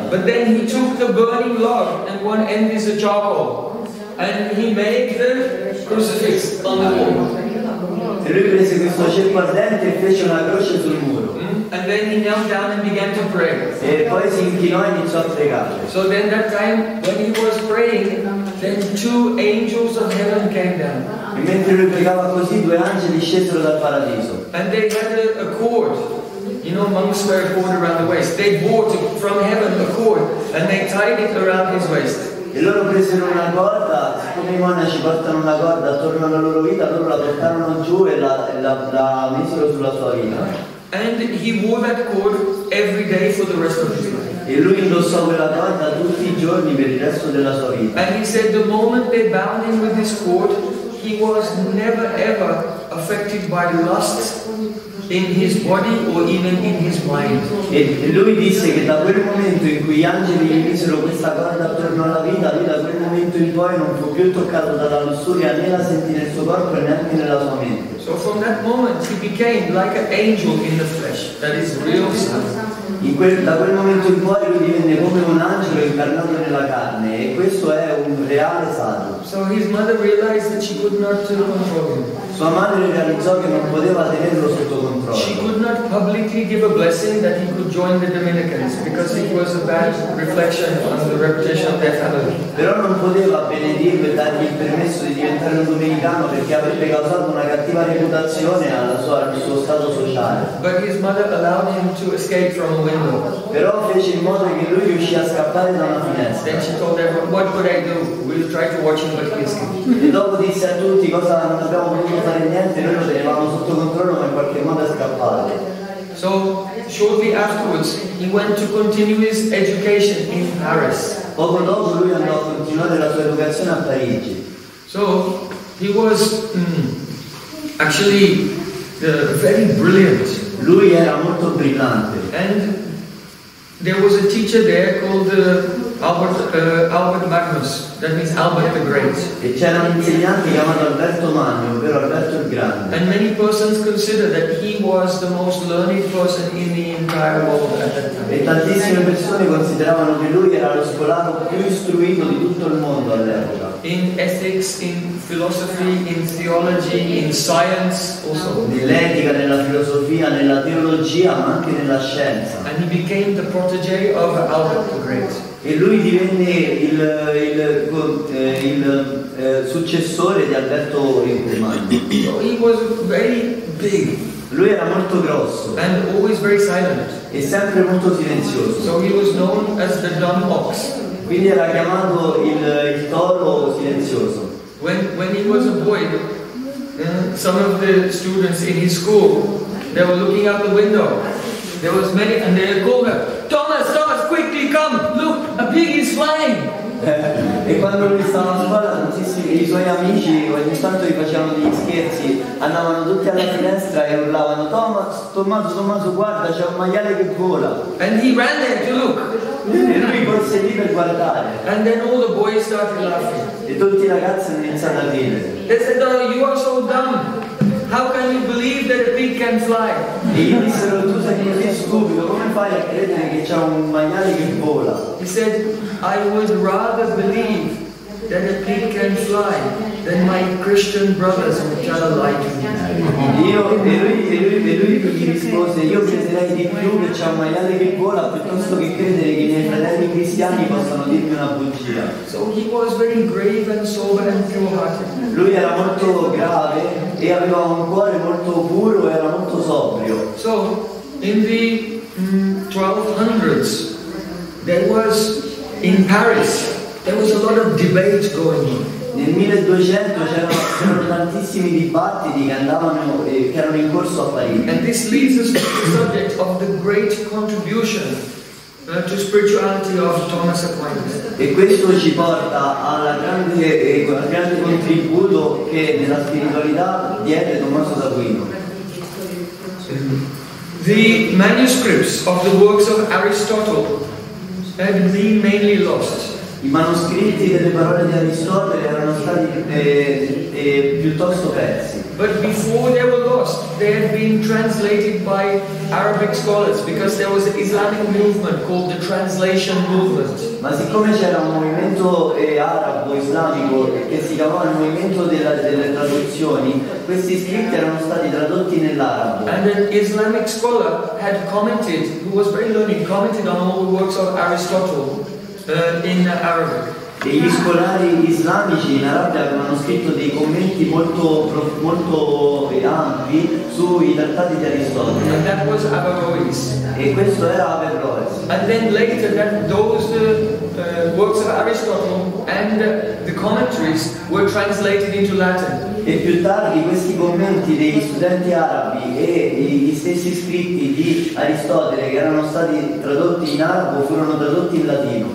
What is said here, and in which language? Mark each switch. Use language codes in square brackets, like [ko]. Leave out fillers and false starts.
[en] But then he took the burning log and one end is a charcoal. And he made the crucifix on the wall. [it] E lui prese questo ceppo ardente e fece una croce sul muro. [en] And then he knelt down and began to pray. [it] E poi si inchinò e iniziò a pregare. [en] So then that time when he was praying, then two angels of heaven came down. [it] E mentre lui pregava così, due angeli scesero dal paradiso. [en] And they had a cord. You know, monks wear a cord around the waist. They brought from heaven a cord and they tied it around his waist. [it] E loro presero una corda, siccome i monaci portano una corda attorno alla loro vita, loro la portarono giù e la misero sulla sua vita. [en] And he wore that cord every day for the rest of his life. [it] E lui indossò quella corda tutti i giorni per il resto della sua vita. [en] And he said the moment they bound him with this cord, he was never ever affected by lust in his body or even in his mind. [it] E lui disse che da quel momento in cui gli angeli gli misero questa corda attorno alla vita, lui da quel momento in poi non fu più toccato dalla lussuria né la sentì nel suo corpo né anche nella sua mente. [en] So from that moment he became like an angel in the flesh, that is real son. [it] Da quel momento in poi lui divenne come un angelo incarnato nella carne e questo è un reale saggio. [en] So his mother realized that she could not control him. [it] Sua madre realizzò che non poteva tenerlo sotto controllo. [en] She could not publicly give a blessing that he could join the Dominicans because it was a bad reflection on the reputation of their family. [it] Però non poteva benedirlo e dargli il permesso di diventare un domenicano perché avrebbe causato una cattiva reputazione al suo stato sociale. [en] But his mother allowed him to escape from a window. [it] Però fece in modo che lui riuscì a scappare da una finestra. [en] Then she told everyone, what could I do? We'll try to watch him, but he escaped. [it] E dopo disse a tutti cosa non abbiamo potuto fare niente, noi lo tenevamo sotto controllo ma in qualche modo è scappato. [en] So shortly afterwards he went to continue his education in Paris. [it] Poco dopo lui andò a continuare la sua educazione a Parigi. [en] So he was actually very brilliant. [it] Lui era molto brillante. [en] And there was a teacher there called Albert Magnus, that means Albert the Great. [it] E c'era un insegnante chiamato Alberto Magno, ovvero Alberto il Grande. [en] And many persons consider that he was the most learned person in the entire world at that time. [it] E tantissime persone consideravano che lui era lo scolaro più istruito di tutto il mondo all'epoca. [en] In ethics, in philosophy, in theology, in science also. [it] Nell'etica, nella filosofia, nella teologia, ma anche nella scienza. [en] And he became the protege of Albert the Great. [it] E lui divenne il successore di Alberto Magno. [en] He was very big. [it] Lui era molto grosso. [en] And always very silent. [it] E sempre molto silenzioso. [en] So he was known as the dumb ox. [it] Quindi era chiamato il toro silenzioso. [en] When he was a boy, some of the students in his school, they were looking out the window. There was many, and they called him, Thomas, quickly come, look, a pig is flying. [it] E quando lui stava a scuola, i suoi amici ogni tanto gli facevano degli scherzi, andavano tutti alla finestra e urlavano, Tommaso, guarda, c'è un maiale che vola. [en] And he ran there to look. [it] E lui corse lì per guardare. [en] And then all the boys started laughing. [it] E tutti i ragazzi hanno iniziato a dire. [en] They said, no, you are so dumb. How can you believe that a pig can fly? [it] E gli dissero, tu sei così stupido, come fai a credere che c'è un maiale che vola? [en] He said, I would rather believe that a pig can fly than my Christian brothers would try to lie to me. [it] E lui gli rispose, io crederei di più che c'è un maiale che vola piuttosto che credere che i miei fratelli cristiani possano dirmi una bugia. [en] So he was very grave and sober and pure-hearted. [it] Lui era molto grave e aveva un cuore molto puro e era molto sobrio. [en] So in the 1200s, there was in Paris, there was a lot of debate going on. [it] Nel 1200 c'erano tantissimi dibattiti che andavano che erano in corso a Parigi. [en] And this leads us to the subject of the great contribution to spirituality of Thomas Aquinas. [it] E questo ci porta al grande contributo che nella spiritualità diede Tommaso d'Aquino. [en] The manuscripts of the works of Aristotle had been mainly lost. [it] I manoscritti delle parole di Aristotele erano stati piuttosto persi. [en] But before they were lost, they had been translated by Arabic scholars because there was an Islamic movement called the translation movement. [it] Ma siccome c'era un movimento arabo islamico che si chiamava il movimento delle traduzioni, questi scritti erano stati tradotti nell'arabo. [en] And an Islamic scholar had commented, who was very learned, commented on all the works of Aristotle. In Arabic. [it] E gli scolari islamici in Arabia avevano scritto dei commenti molto molto ampi sui trattati di Aristotele. [en] And that was Averroes. [it] E questo era Averroes. [en] And then later that those works of Aristotle and the commentaries were translated into Latin. [it] E più tardi questi commenti degli studenti arabi e gli stessi scritti di Aristotele che erano stati tradotti in arabo furono tradotti in latino.